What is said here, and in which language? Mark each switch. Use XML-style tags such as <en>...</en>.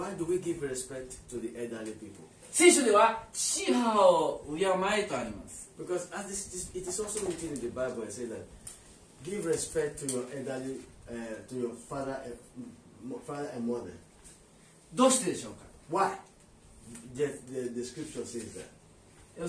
<en>Why do we give respect to the elderly people?</en> <ja>聖書では父母を敬えとあります。</ja> <en>Because as this, this, it is also written in the Bible, I say that give respect to your elderly, to your father and mother</en> <ja>どうしてでしょうか。</ja> <en>Why? The scripture says that.</en>